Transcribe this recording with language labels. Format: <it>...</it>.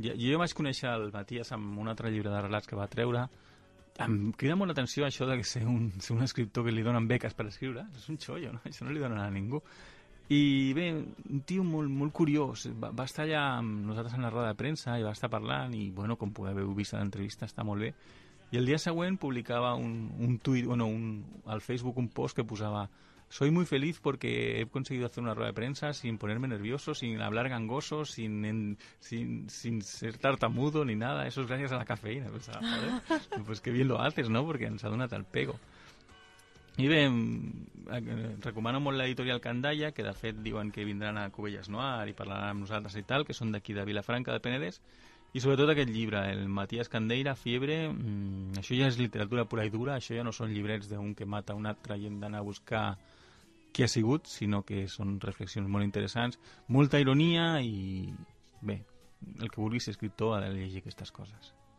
<ca>Jo vaig conèixer el Matías amb un altre llibre de relats que va treure. Em crida molt l'atenció això de ser un escriptor que li donen beques per escriure. És un xollo, no? Això no li donen a ningú. I bé, un tio molt, molt curiós. Va estar allà amb nosaltres en la roda de premsa i va estar parlant i, bueno, com podeu vist a l'entrevista, està molt bé. I el dia següent publicava un tuit, bueno, al Facebook un post que posava:</ca> <es>soy muy feliz porque he conseguido hacer una rueda de prensa sin ponerme nervioso, sin hablar gangoso, sin ser tartamudo ni nada. Eso es gracias a la cafeína. Pensaba, pues qué bien lo haces, ¿no?</es> <ca>Porque ens ha donat el pego. I bé, recomano molt l'editorial Candaya, que de fet diuen que vindran a Cubelles Noir i parlaran amb nosaltres i tal, que són d'aquí de Vilafranca, de Penedès. I sobretot aquest llibre, el Matías Candeira, Fiebre, això ja és literatura pura i dura, això ja no són llibrets d'un que mata un altre i hem d'anar a buscar qui ha sigut, sinó que són reflexions molt interessants, molta ironia i, bé, el que vulgui ser escriptor ha de llegir aquestes coses.</ca>